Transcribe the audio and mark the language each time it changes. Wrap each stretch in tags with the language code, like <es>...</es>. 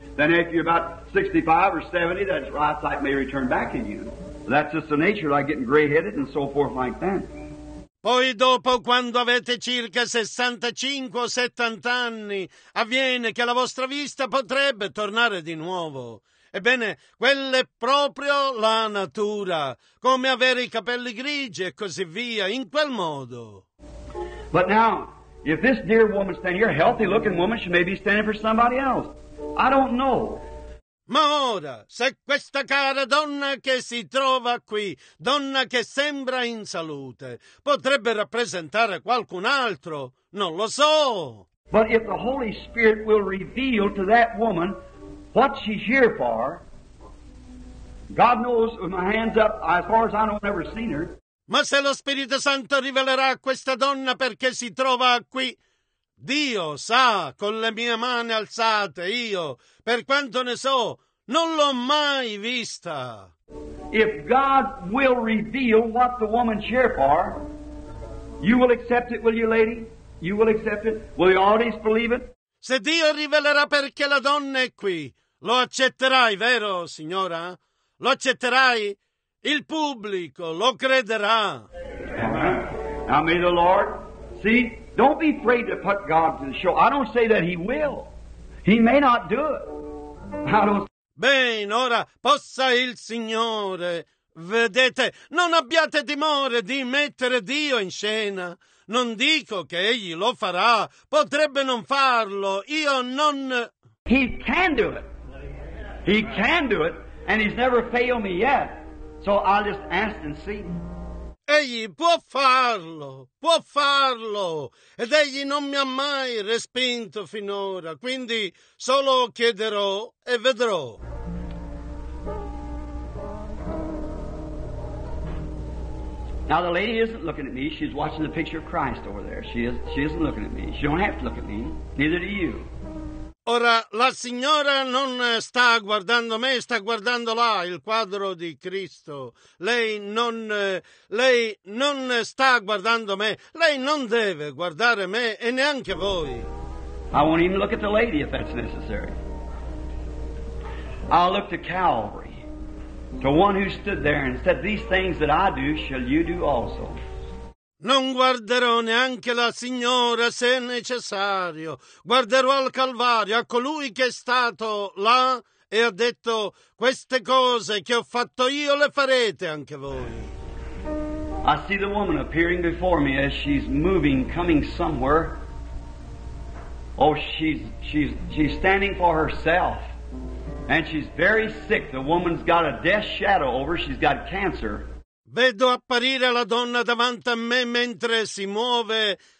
<en>Then if you're about 65 or 70, that eyesight may return back in you. That's just the nature, like getting gray-headed and so forth like that.</en> <it>Poi dopo, quando avete circa 65 o 70 anni, avviene che la vostra vista potrebbe tornare di nuovo. Ebbene, quella è proprio la natura, come avere i capelli grigi e così via, in quel modo.</it> <en>But now, if this dear woman standing here, a healthy looking woman, she may be standing for somebody else. I don't know.</en> <it>Ma ora, se questa cara donna che si trova qui, donna che sembra in salute, potrebbe rappresentare qualcun altro, non lo so.</it> <en>But if the Holy Spirit will reveal to that woman what she's here for, God knows with my hands up, as far as I know, I've never seen her.</en> <it>Ma se lo Spirito Santo rivelerà a questa donna perché si trova qui, Dio sa, con le mie mani alzate, io, per quanto ne so, non l'ho mai vista.</it> <en>If God will reveal what the woman's here for, you will accept it, will you, lady? You will accept it? Will the audience believe it?</en> <it>Se Dio rivelerà perché la donna è qui, lo accetterai, vero, signora? Lo accetterai? Il pubblico lo crederà.</it> <en>Amen. Now may the Lord see. Don't be afraid to put God to the show. I don't say that he will. He may not do it. I don't.</en> <it>Bene, ora possa il Signore. Vedete, non abbiate timore di mettere Dio in scena. Non dico che egli lo farà. Potrebbe non farlo. Io non...</it> <en>He can do it. He can do it. And he's never failed me yet. So I'll just ask and see.</en> <it>Egli può farlo, può farlo. Ed egli non mi ha mai respinto finora. Quindi solo chiederò e vedrò.</it> <en>Now the lady isn't looking at me. She's watching the picture of Christ over there. She isn't looking at me. She don't have to look at me. Neither do you.</en> <it>Ora la signora non sta guardando me, sta guardando là il quadro di Cristo. Lei non sta guardando me. Lei non deve guardare me e neanche voi.</it> <en>I won't even look at the lady if that's necessary. I'll look to Calvary. To one who stood there and said, "These things that I do, shall you do also?"</en> <it>Non guarderò neanche la signora se necessario. Guarderò al Calvario, a colui che è stato là e ha detto, "Queste cose che ho fatto io le farete anche voi."</it> <en>I see the woman appearing before me as she's moving, coming somewhere. Oh, she's standing for herself. And she's very sick. The woman's got a death shadow over. She's got cancer.</en> <it>Vedo apparire la donna davanti a me mentre si muove.</it>